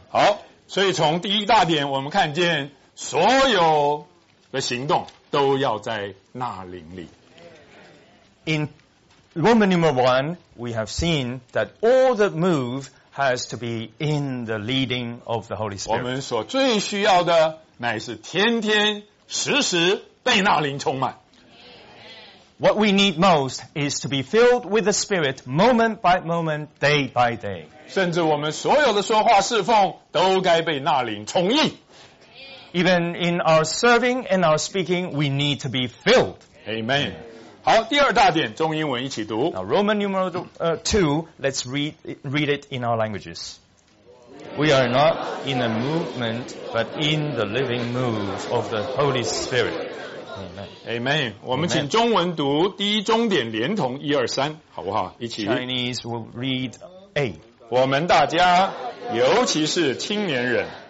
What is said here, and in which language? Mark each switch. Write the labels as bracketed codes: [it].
[zh] 好，所以从第一大点我们看见所有的行动都要在纳灵里。 [en] In Roman number 1, we have seen that all the move has to be in the leading of the Holy Spirit. [zh] 我们所最需要的乃是天天时时被纳灵充满。 [en] What we need most is to be filled with the Spirit moment by moment, day by day. [zh] 甚至我们所有的说话侍奉都该被纳灵充溢。 [en] Even in our serving and our speaking, we need to be filled. Amen. [zh] 好，第二大点，中英文一起读。 [en] Now, Roman numeral 2, let's read it in our languages. We are not in a movement, but in the living move of the Holy Spirit. Amen. [zh] 我们请中文读第一终点连同一二三，好不好？一起。 [en] Chinese will read A. [zh] 我们大家，尤其是青年人。